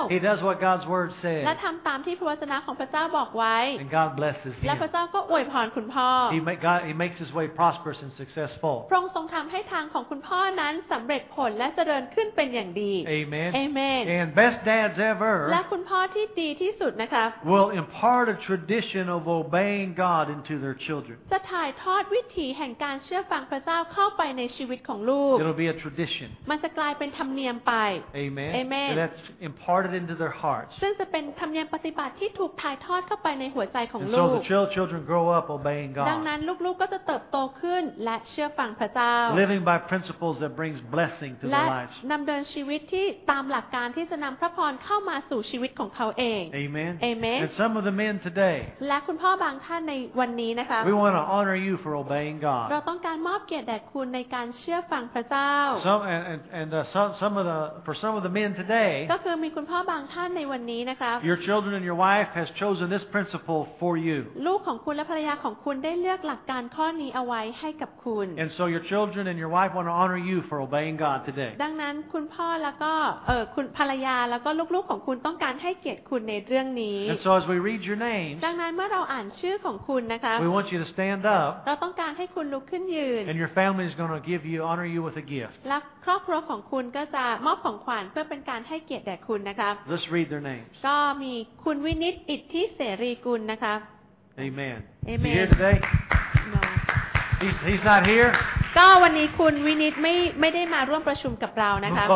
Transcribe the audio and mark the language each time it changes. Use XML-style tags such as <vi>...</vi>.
<en>He does what God's word says</en> <th>และทำตามที่พระวจนะของพระเจ้าบอกไว้</th> <en>And God blesses him</en> <th>และพระเจ้าก็อวยพรคุณพ่อ</th> <en>He makes his way prosperous and successful</en> <th>พระองค์ทรงทำให้ทางของคุณพ่อนั้นสำเร็จผลและเจริญขึ้นเป็นอย่างดี</th> <en>Amen Amen And best dads ever</en> <th>และคุณพ่อที่ดีที่สุดนะคะ</th> <en>Will impart a tradition of obeying God into their children</en> <th>จะถ่ายทอดวิถีแห่งการเชื่อฟังพระเจ้าเข้าไปในชีวิตของลูก</th> <en>It'll be a tradition.</en> <th>มันจะกลายเป็นธรรมเนียมไป</th> <en>Amen. Amen. That's imparted into their hearts.</en> <th>ซึ่งจะเป็นธรรมเนียมปฏิบัติที่ถูกถ่ายทอดเข้าไปในหัวใจของลู ก</th> <en>And so the children grow up obeying God.</en> <th>ดังนั้นลูกๆ ก็จะเติบโตขึ้นและเชื่อฟังพระเจ้า</th> <en>Living by principles that brings blessing to their lives.</en> <th>และนำเดินชีวิตที่ตามหลักการที่จะนำพระพรเข้ามาสู่ชีวิตของเขาเอง</th> <en>Amen. Amen. And some of the men today.</en> <th>และคุณพ่อบางท่านในวันนี้นะคะ</th> <en>We want to honor you for obeying God.</en> <th>เราต้องการมอบเกียรติแด่คุณในการเชื่อฟังพระเจ้า</th> <en>some of the men today</en> <th>ก็คือมีคุณพ่อบางท่านในวันนี้นะคะ</th> <en>Your children and your wife has chosen this principle for you</en> <th>ลูกของคุณและภรรยาของคุณได้เลือกหลักการข้อนี้เอาไว้ให้กับคุณ</th> <en>And so your children and your wife want to honor you for obeying God today</en> <th>ดังนั้นคุณพ่อแล้วก็คุณภรรยาแล้วก็ลูกๆของคุณต้องการให้เกียรติคุณในเรื่องนี้</th> <en>And so as we read your names</en> <th>ดังนั้นเมื่อเราอ่านชื่อของคุณนะคะ</th> <en>We want you to stand up</en> <th>เราต้องการให้คุณลุกขึ้นยืน</th> <en>And your family is going to give you honor you with a gift.</en> <th>และครอบครัวของคุณก็จะมอบของขวัญเพื่อเป็นการให้เกียรติแด่คุณนะคะ</th> <en>Let's read their names.</en> <th>ก็มีคุณวินิจอิทธิเสรีกุลนะคะ</th> <en>Amen. Amen. Is he here today? No. He's not here.</en> <th>ก็วันนี้คุณวินิจไม่ได้มาร่วมประชุมกับเรานะคะ</th>